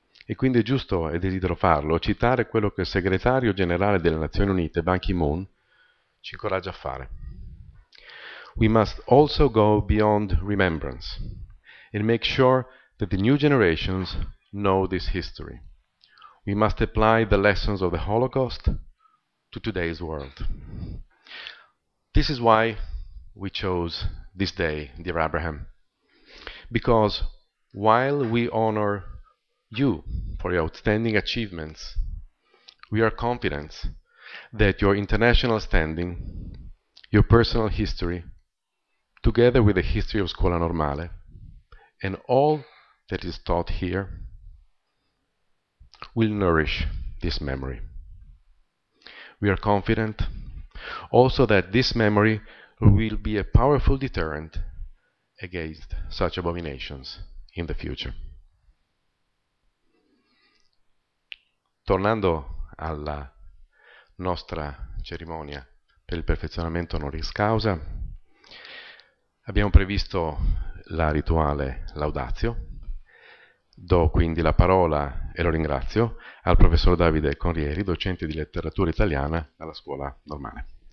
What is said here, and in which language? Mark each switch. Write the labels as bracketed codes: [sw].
[it] E quindi è giusto, e desidero farlo, citare quello che il segretario generale delle Nazioni Unite, Ban Ki-moon, ci incoraggia a fare. [en] We must also go beyond remembrance and make sure that the new generations know this history. We must apply the lessons of the Holocaust to today's world. This is why we chose this day, dear Abraham, because while we honor you for your outstanding achievements, we are confident that your international standing, your personal history, together with the history of Scuola Normale and all that is taught here, will nourish this memory. We are confident also that this memory will be a powerful deterrent against such abominations in the future. [it] Tornando alla nostra cerimonia per il perfezionamento honoris causa, abbiamo previsto la rituale laudatio, Do quindi la parola e lo ringrazio al professor Davide Conrieri, docente di letteratura italiana alla Scuola Normale.